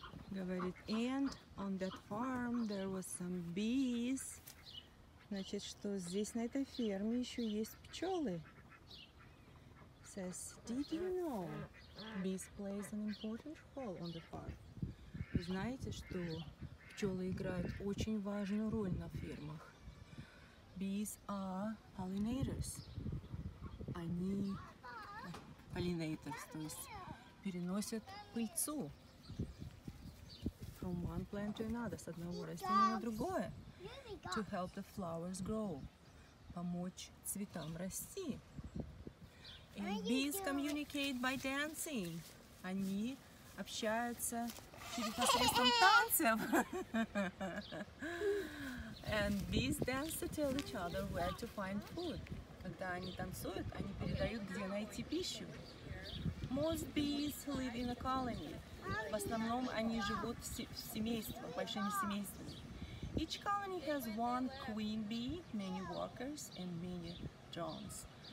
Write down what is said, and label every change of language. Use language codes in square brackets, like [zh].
[ru] Говорит, [en] and on that farm there was some bees. [ru] Значит, что здесь на этой ферме еще есть пчелы. [en] Says, did you know bees plays an important role on the farm? [ru] Вы знаете, что пчелы играют очень важную роль на фермах. [en] Bees are pollinators. [ru] Они pollinators, то есть переносят пыльцу. [en] From one plant to another, [ru] с одного растения на другое. [en] To help the flowers grow. [ru] Помочь цветам расти. [en] And bees communicate by dancing. [ru] Они общаются через посредством танцев. [en] And bees dance to tell each other where to find food. [ru] Когда они танцуют, они передают, где найти пищу. [en] Most bees live in a colony. [ru] В основном они живут в семействах, большими семействами. [en] Each colony has one queen bee, many workers and many drones.